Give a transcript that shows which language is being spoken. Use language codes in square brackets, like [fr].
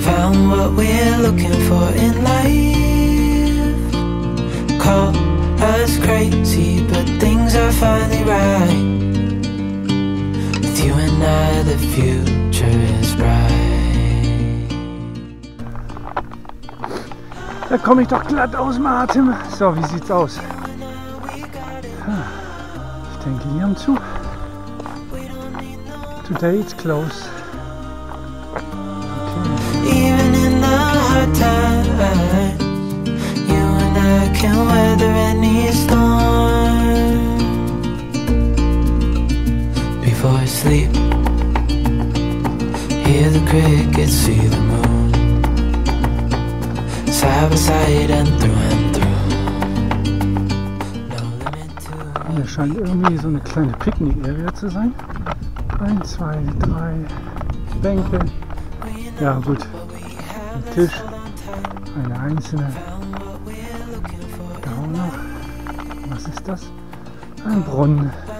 [en] Found what we're looking for in life. Call us crazy, but things are finally right. With you and I, the future is bright. [de] Da komme ich doch glatt aus dem Atem. So, wie sieht's aus? Ich denke, die haben zu. [en] Today it's close. Okay. Even in the hard times, you and I can weather any storm. Before I sleep, hear the crickets, see the moon, side by side and through and through. No limit to. [de] Es scheint irgendwie so eine kleine Picknick-Area zu sein. 1, 2, 3 Bänke. Ja gut. Ein Tisch. Eine einzelne. Da auch noch. Was ist das? Ein Brunnen.